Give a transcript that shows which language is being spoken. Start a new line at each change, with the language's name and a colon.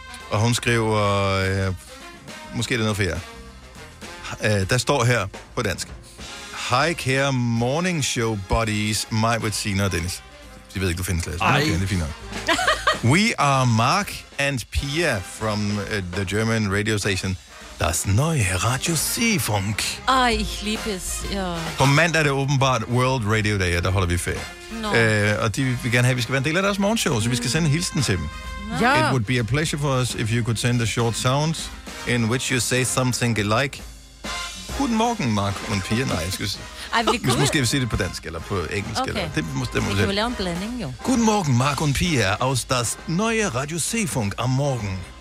Danish: Og hun skriver, måske er det noget for jer. Der står her på dansk. Hi, kære morning show buddies, mig, Bettina og Dennis. De ved ikke, du findes, Lasse. Ej. Det er fint nok.
English: We are Mark and Pia from the German radio station.
German: Das neue Radio Seefunk. Ej, ich liebes, ja.
Danish: På mandag er det åbenbart World Radio Day, der holder vi ferie.
English: No.
Danish: Og de vil gerne have, vi skal være en del af deres morgenshow, så vi skal sende en hilsen til dem. Ja.
English: It would be a pleasure for us if you could send a short sound in which you say something like...
German: Guten Morgen, Mark und Pia.
Danish: Nej, jeg skal måske sige det på dansk eller på engelsk. Okay. Eller. Det måske, vi kan lave en blanding, jo.
German: Guten Morgen, Mark und Pia, aus das neue Radio Seefunk am Morgen.